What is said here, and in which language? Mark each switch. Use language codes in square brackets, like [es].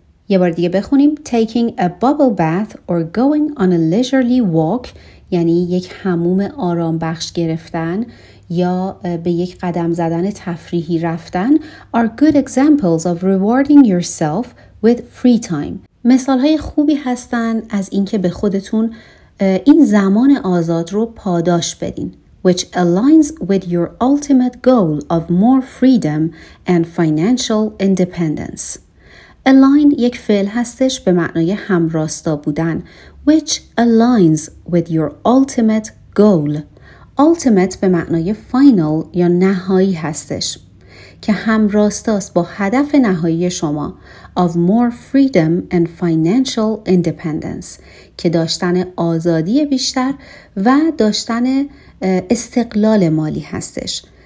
[en] یه بار دیگه بخونیم. Taking a bubble bath or going on a leisurely walk [fa] یعنی یک حموم آرام بخش گرفتن یا به یک قدم زدن تفریحی رفتن [en] are good examples of rewarding yourself with free time. [fa] مثال های خوبی هستن از اینکه به خودتون این زمان آزاد رو پاداش بدین. [en] Which aligns with your ultimate goal of more freedom and financial independence. [fa] Align یک فعل هستش به معنای همراستا بودن. [en] Which aligns with your ultimate goal. [fa] Ultimate به معنای final یا نهایی هستش که همراستاست با هدف نهایی شما [en] of more freedom and financial independence [fa] که داشتن آزادی بیشتر و داشتن استقلال مالی هستش.